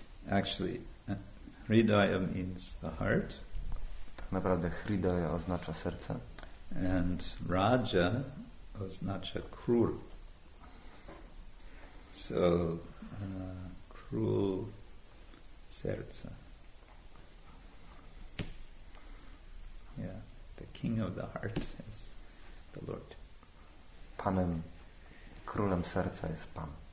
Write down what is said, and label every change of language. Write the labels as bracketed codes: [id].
[en] Actually, Hridoya means the heart. [pl] Tak naprawdę Hridoya oznacza serce. And Raja oznacza król. So, król serca. [en] Yeah, the king of the heart is the Lord. [pl] Panem, królem serca jest Pan.